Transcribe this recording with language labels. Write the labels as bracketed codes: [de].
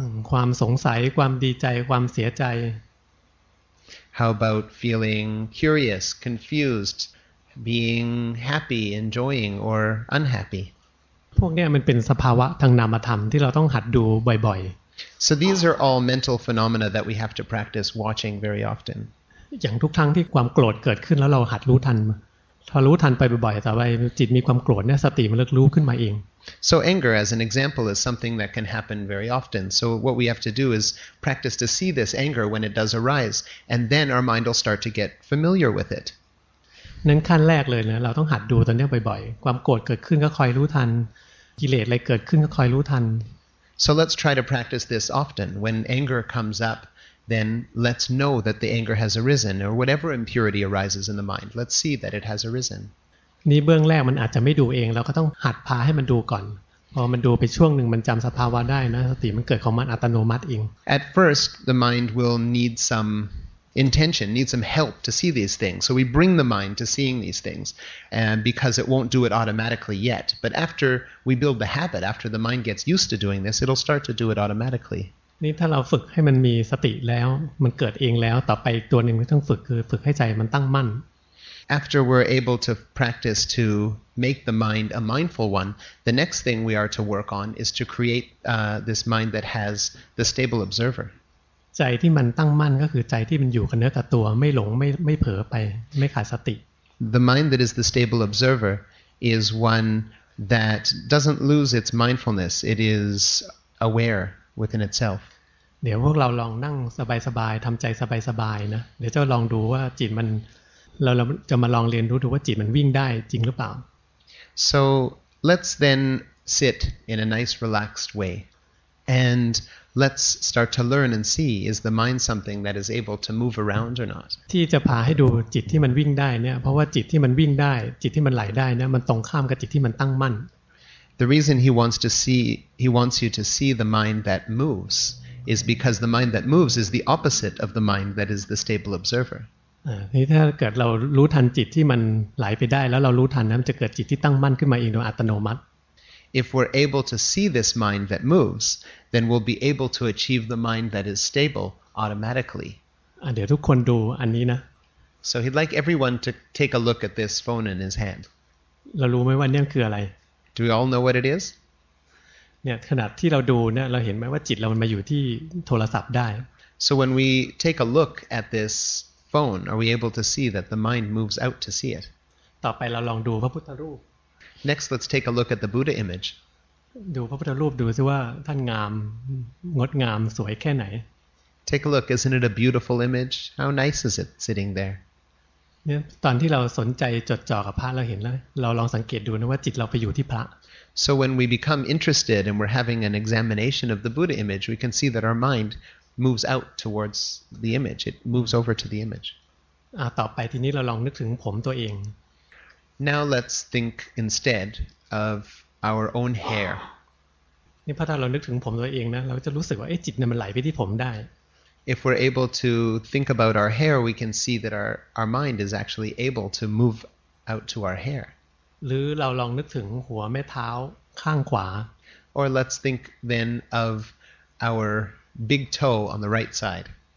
[th] ความสงสัยความดีใจความเสียใจ [en] How about feeling curious, confusedbeing happy enjoying or unhappy [th] พวกเนี้ยมันเป็นสภาวะทางนามธรรมที่เราต้องหัดดูบ่อย [en] ๆ So these are all mental phenomena that we have to practice watching very often [th] อย่างทุกครั้งที่ความโกรธเกิดขึ้นแล้วเราหัดรู้ทันพอรู้ทันไปบ่อยๆต่อไปจิตมีความโกรธเนี่ยสติมันเริ่มรู้ขึ้นมาเอง [en] So anger as an example is something that can happen very often so what we have to do is practice to see this anger when it does arise and then our mind will start to get familiar with it [th] นั่นขั้นแรกเลยนะเราต้องหัดดูตัวเนี้ยบ่อยๆความโกรธเกิดขึ้นก็คอยรู้ทันกิเลสอะไรเกิดขึ้นก็คอยรู้ทัน [en] So let's try to practice this often when anger comes up then let's know that the anger has arisen or whatever impurity arises in the mind let's see that it has arisen [th] นี่เบื้องแรกมันอาจจะไม่ดูเองเราก็ต้องหัดพาให้มันดูก่อนพอมันดูไปช่วงนึงมันจำสภาวะได้นะสติมันเกิดของมันอัตโนมัติเอง [en] At first the mind will need someintention needs some help to see these things so we bring the mind to seeing these things and because it won't do it automatically yet but after we build the habit after the mind gets used to doing this it'll start to do it automatically [th] นี่ถ้าเราฝึกให้มันมีสติแล้วมันเกิดเองแล้วต่อไปตัวนึงที่ต้องฝึกคือฝึกให้ใจมันตั้งมั่น [en] after we're able to practice to make the mind a mindful one the next thing we are to work on is to create this mind that has the stable observer [th] ใจที่มันตั้งมั่นก็คือใจที่มันอยู่กับเนื้อกับตัวไม่หลงไม่เผลอไปไม่ขาดสติ [en] The mind that is the stable observer is one that doesn't lose its mindfulness it is aware within itself [th] เดี๋ยวพวกเราลองนั่งสบายๆทำใจสบายๆนะเดี๋ยวจะลองดูว่าจิตมันเราจะมาลองเรียนรู้ดูว่าจิตมันวิ่งได้จริงหรือเปล่า [en] So let's then sit in a nice relaxed way And let's start to learn and see, is the mind something that is able to move around or not? [th] ที่จะพาให้ดูจิตที่มันวิ่งได้เนี่ยเพราะว่าจิตที่มันวิ่งได้จิตที่มันไหลได้เนี่ยมันตรงข้ามกับจิตที่มันตั้งมั่น [en] The reason he wants you to see the mind that movesis because the mind that moves is the opposite of the mind that is the stable observer. [th] ถ้าเกิดเรารู้ทันจิตที่มันไหลไปได้แล้วเรารู้ทันนั้นจะเกิดจิตที่ตั้งมั่นขึ้นมาเองโดยอัตโนมัติ [en] If we're able to see this mind that moves, then we'll be able to achieve the mind that is stable automatically. [th] เดี๋ยวทุกคนดูอันนี้นะ [en] So he'd like everyone to take a look at this phone in his hand. [th] เรารู้ไหมว่าเนี่ยคืออะไร [en] Do we all know what it is? [th] เนี่ยขนาดที่เราดูเนี่ยเราเห็นไหมว่าจิตเรามันมาอยู่ที่โทรศัพท์ได้ [en] So when we take a look at this phone, are we able to see that the mind moves out to see it? [th] ต่อไปเราลองดูพระพุทธรูป [en] Next, let's take a look at the Buddha image. [th] ดูพระพุทธรูปดูซิว่าท่านงามงดงามสวยแค่ไหน [en] Take a look. Isn't it a beautiful image? How nice is it sitting there? [th] เนี่ยตอนที่เราสนใจจดจ่อกับพระเราเห็นแล้วเราลองสังเกตดูนะว่าจิตเราไปอยู่ที่พระ [en] So when we become interested and we're having an examination of the Buddha image, we can see that our mind moves out towards the image. It moves over to the image. [th] ต่อไปทีนี้เราลองนึกถึงผมตัวเอง [en] Now let's think instead of our own hair. [th] นี่พอถ้าเรานึกถึงผมตัวเองนะเราจะรู้สึกว่าเอ๊ะจิตเนี่ยมันไหลไปที่ผมได้ [en] If we're able to think about our hair, we can see that our mind is actually able to move out to our hair. [th] หรือเราลองนึกถึงหัวแม่เท้าข้างขวา [en] or let's think then of our big toe on the right side